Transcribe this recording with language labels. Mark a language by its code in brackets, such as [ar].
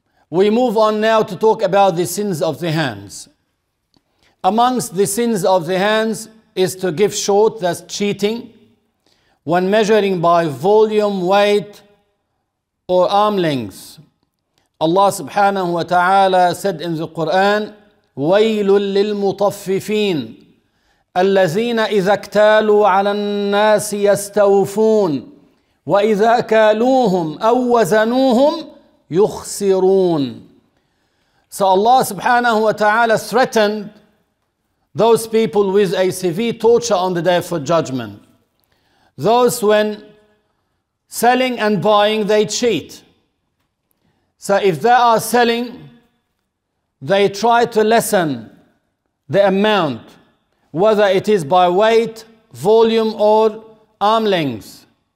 [en] We move on now to talk about the sins of the hands. Amongst the sins of the hands is to give short, that's cheating. when measuring by volume, weight, or arm length. Allah subhanahu wa ta'ala said in the Quran, [ar] وَيْلٌ لِلْمُطَفِّفِينَ الَّذِينَ إِذَا اكْتَالُوا عَلَى النَّاسِ يَسْتَوْفُونَ وَإِذَا كَالُوهُمْ أَوْ وَزَنُوهُمْ يُخْسِرُونَ. [en] So Allah subhanahu wa ta'ala threatened those people with a severe torture on the day of judgment. Those when selling and buying, they cheat. So if they are selling, they try to lessen the amount, whether it is by weight, volume, or arm length.